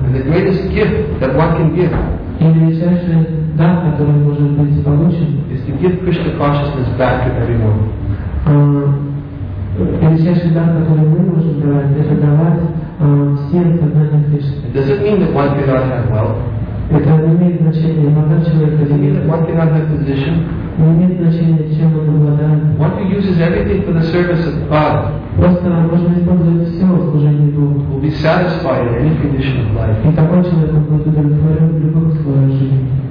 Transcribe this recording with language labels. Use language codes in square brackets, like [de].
[en] And the greatest gift that one can give. [ru] И величайший дар, который может быть получен, [en] is to give Krishna consciousness back to everyone. [ru] Величайший дар, который мы можем давать, это давать всем сознание Кришны. [en] Does it mean that one cannot have wealth? [ru] Это не имеет значения, иногда человек имеет. [en] One cannot have position. [ru] Не имеет значения, чем он обладает. [en] One who uses everything for the service of God. [ru] Просто можно использовать все в служении Богу. [en] Will be satisfied in any condition of life. [ru] И такой человек будет удовлетворен в любом условии жизни.